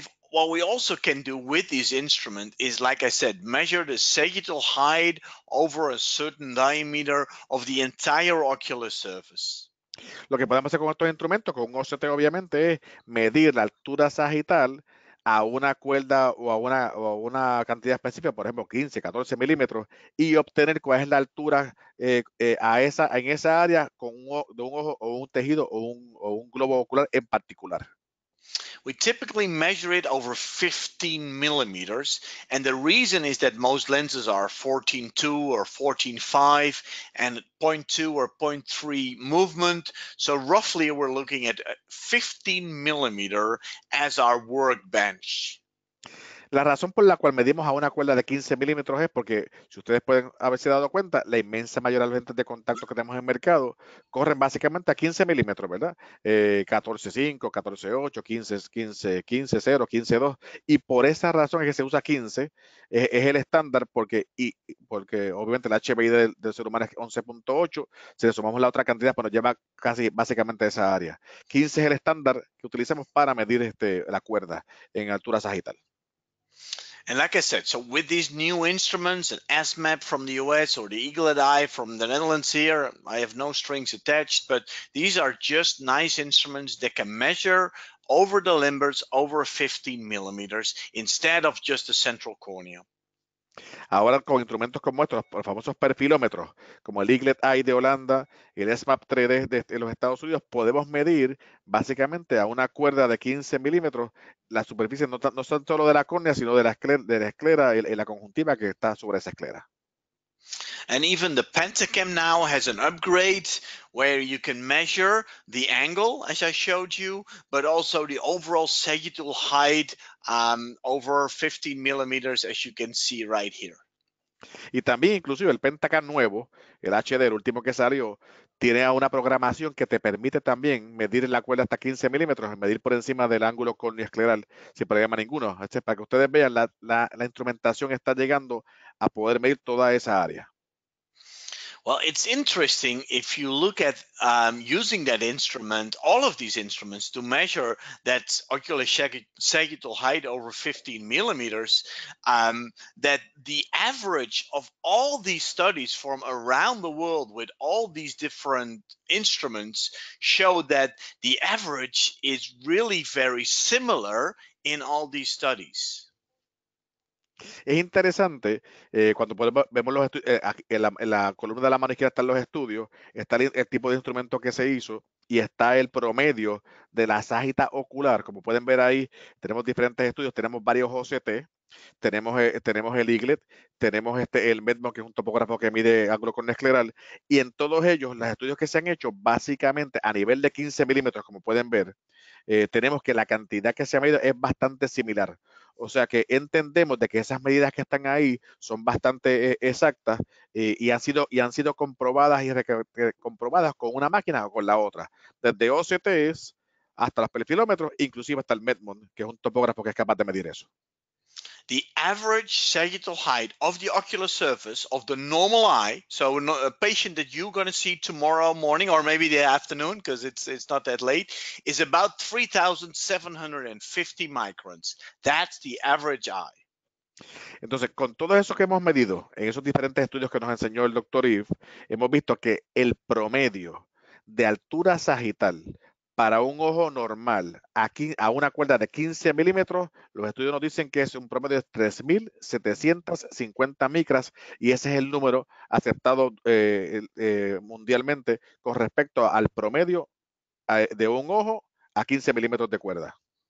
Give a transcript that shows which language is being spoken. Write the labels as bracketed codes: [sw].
[en] What we also can do with this instrument is, like I said, measure the sagittal height over a certain diameter of the entire ocular surface. [es] Lo que podemos hacer con estos instrumentos, con un OCT obviamente, es medir la altura sagital a una cuerda o a una cantidad específica, por ejemplo, 15, 14 milímetros, y obtener cuál es la altura en esa área con un ojo o un tejido o un globo ocular en particular. [en] We typically measure it over 15 millimeters, and the reason is that most lenses are 14.2 or 14.5 and 0.2 or 0.3 movement. So roughly we're looking at 15 millimeter as our workbench. [es] La razón por la cual medimos a una cuerda de 15 milímetros es porque, si ustedes pueden haberse dado cuenta, la inmensa mayoría de lentes de contacto que tenemos en el mercado corren básicamente a 15 milímetros, ¿verdad? 14.5, 14.8, 15, 15, 15, 0, 15, 2. Y por esa razón es que se usa 15, es el estándar, porque obviamente el HBI del ser humano es 11.8, si le sumamos la otra cantidad, pues nos lleva casi básicamente a esa área. 15 es el estándar que utilizamos para medir la cuerda en altura sagital. [en] And like I said, so with these new instruments, an SMAP from the US or the Eaglet Eye from the Netherlands here, I have no strings attached, but these are just nice instruments that can measure over the limbers over 15 millimeters instead of just the central cornea. [es] Ahora con instrumentos como estos, los famosos perfilómetros, como el Eaglet Eye de Holanda y el SMAP 3D de los Estados Unidos, podemos medir básicamente a una cuerda de 15 milímetros la superficie no solo no de la córnea, sino de la esclera y la conjuntiva que está sobre esa esclera. [en] And even the Pentachem now has an upgrade where you can measure the angle, as I showed you, but also the overall sagittal height over 15 millimeters, as you can see right here. [es] Y también, inclusive, el Pentacam nuevo, el HD, el último que salió, tiene una programación que te permite también medir la cuerda hasta 15 milímetros, medir por encima del ángulo córneo-escleral, sin problema ninguno. Para que ustedes vean, la instrumentación está llegando a poder medir toda esa área. [en] Well, it's interesting if you look at using that instrument, all of these instruments, to measure that ocular sagittal height over 15 millimeters, that the average of all these studies from around the world with all these different instruments show that the average is really very similar in all these studies. [es] Es interesante, cuando podemos, vemos los en la columna de la mano izquierda están los estudios, está el tipo de instrumento que se hizo y está el promedio de la sagita ocular. Como pueden ver ahí, tenemos diferentes estudios, tenemos varios OCT, tenemos el Eaglet, tenemos el MEDMO, que es un topógrafo que mide ángulo córneo-escleral, y en todos ellos, los estudios que se han hecho, básicamente a nivel de 15 milímetros, como pueden ver, tenemos que la cantidad que se ha medido es bastante similar. O sea que entendemos de que esas medidas que están ahí son bastante exactas y han sido comprobadas y comprobadas con una máquina o con la otra, desde OCTs hasta los perfilómetros, inclusive hasta el MEDMON, que es un topógrafo que es capaz de medir eso. [en] The average sagittal height of the ocular surface of the normal eye, so a patient that you're going to see tomorrow morning or maybe the afternoon, because it's not that late, is about 3,750 microns. That's the average eye. [es] Entonces, con todo eso que hemos medido en esos diferentes estudios que nos enseñó el doctor Eef, hemos visto que el promedio de altura sagital para un ojo normal, aquí a una cuerda de 15 milímetros, los estudios nos dicen que es un promedio de 3,750 micras, y ese es el número aceptado mundialmente con respecto al promedio de un ojo a 15 milímetros de cuerda.